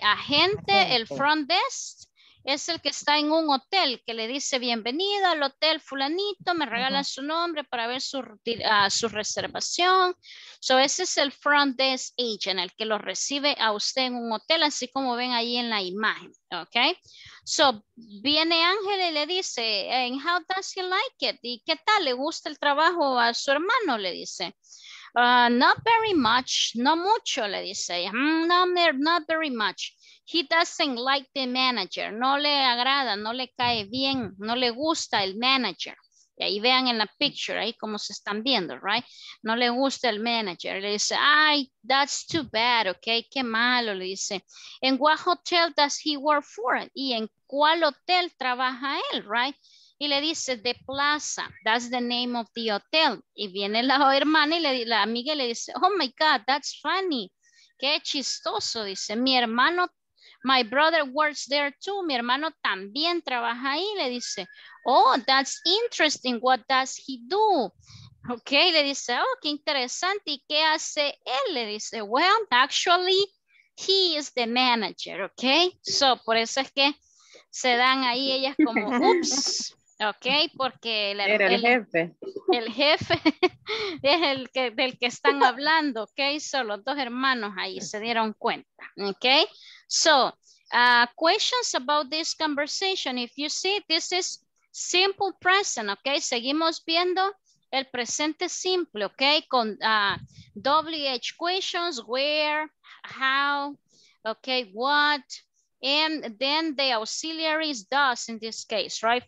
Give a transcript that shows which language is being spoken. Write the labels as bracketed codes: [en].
[es] Agente, agente, el front desk, es el que está en un hotel, que le dice bienvenido al hotel fulanito, me regala su nombre para ver su, su reservación. So ese es el front desk agent, el que lo recibe a usted en un hotel, así como ven ahí en la imagen, okay? [en] So, [es] viene Ángel y le dice, [en] and how does he like it? [es] ¿Y qué tal? ¿Le gusta el trabajo a su hermano? Le dice, [en] not very much, [es] no mucho, le dice. [en] Not very much. He doesn't like the manager. [es] No le agrada, no le cae bien, no le gusta el manager. Y ahí vean en la picture, ahí como se están viendo, right? No le gusta el manager. Le dice, ay, [en] that's too bad, [es] okay? Qué malo, le dice. ¿En [en] what hotel does he work for? [es] ¿Y en cuál hotel trabaja él, right? Y le dice, The Plaza. [en] That's the name of the hotel. [es] Y viene la hermana y la amiga y le dice, [en] oh my God, that's funny. [es] Qué chistoso, dice. Mi hermano, [en] my brother works there too. [es] Mi hermano también trabaja ahí. Le dice, [en] oh, that's interesting. What does he do? [es] Okay, le dice, oh, qué interesante. ¿Y qué hace él? Le dice, [en] well, actually, he is the manager, okay? [es] So, por eso es que se dan ahí ellas como, oops, okay? Porque el jefe. El jefe es el que, del que están hablando, okay? So, los dos hermanos ahí se dieron cuenta, okay? [en] So, questions about this conversation. If you see, this is simple present, okay? [es] Seguimos viendo el presente simple, [en] okay? [es] Con [en] WH questions, where, how, okay, what, and then the auxiliary is does in this case, right?